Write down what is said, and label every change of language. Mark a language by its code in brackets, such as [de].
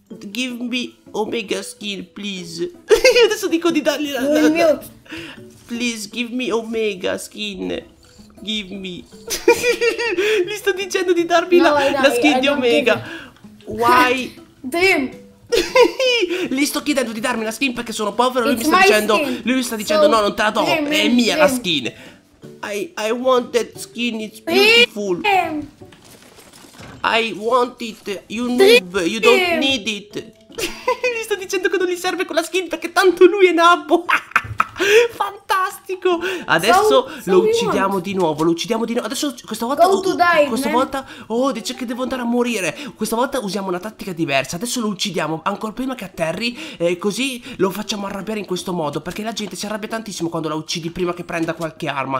[en] Give me Omega skin, please. [it] Io adesso dico di dargli la mio. [en] Please give me Omega skin. Give me. [it] Gli sto dicendo di darmi la skin di Omega. [en] Why? Damn. [it] Gli sto chiedendo di darmi la skin perché sono povero. Lui mi sta dicendo no, non te la do. [en] Damn, [it] è mia la skin. [en] I want that skin. It's beautiful. Damn. I want it, you noob, you don't need it. [it] Gli sto dicendo che non gli serve quella skin perché tanto lui è nabbo. Fantastico. Adesso lo uccidiamo di nuovo. Adesso questa volta Questa volta dice che devo andare a morire. Questa volta usiamo una tattica diversa. Adesso lo uccidiamo ancora prima che atterri, così lo facciamo arrabbiare in questo modo, perché la gente si arrabbia tantissimo quando la uccidi prima che prenda qualche arma.